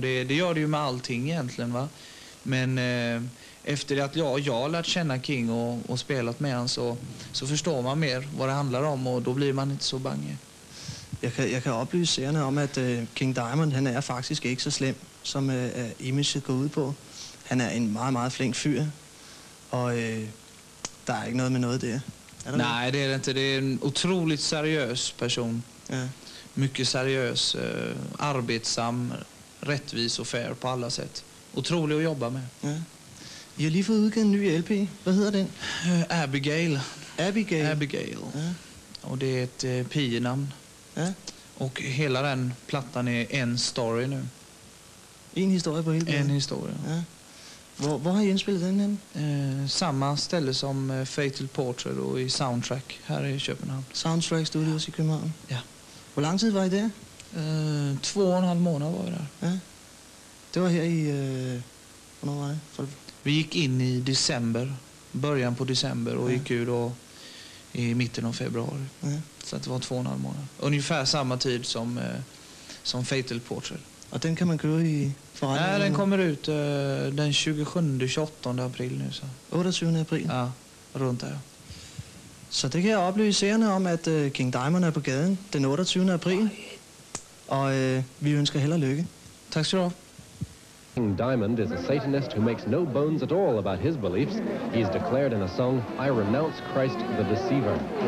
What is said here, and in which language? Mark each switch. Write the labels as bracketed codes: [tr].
[sv] Det gör det ju med allting egentligen, va? Men efter att jag har lärt känna King och spelat med han så förstår man mer vad det handlar om och då blir man inte så bange. Jag kan upplysa seerne om att King Diamond, han är faktiskt inte så slem som imaget [da] går ud på. Han er en meget, meget flink fyr, og der er ikke noget med noget der. Nej, det er det ikke. Det er en utroligt seriøs person. Ja. [sv] Mycket seriøs, arbetsam, rättvis [da] og fair på alle [sv] sätt. [da] Utrolig at jobbe med. Ja. Jeg har lige fået udgivet en ny LP. Hvad hedder den? Abigail. Abigail? Abigail. Ja. [sv] Og och det är ett PI-namn. Ja. Och hela den plattan är en story nu. En historia på hela. En historia. Ja. Var har du inspelat den? Samma ställe som Fatal Portrait och i Soundtrack här i Köpenhamn. Soundtrack Studios i Köpenhamn? Ja. Hur lång tid var det? 2,5 månader var jag där. Ja. Det var här i... [da] Hvornår var det? [sv] Vi gick in i december. Början på december och gick ur då i mitten av februari. Ja. Så att det var 2,5 månader. Ungefär samma tid som Fatal Portrait. Och den kan man köra i... Nej, den kommer ut den 27-28 april nu. Så. 28 april? Ja, runt där. Så det kan jag upplysa er om att King Diamond är på gaden den 28 april. Och vi önskar heller lycka. Tack så mycket. [en] King Diamond is a Satanist who makes no bones at all about his beliefs. He's declared in a song, I renounce Christ the Deceiver.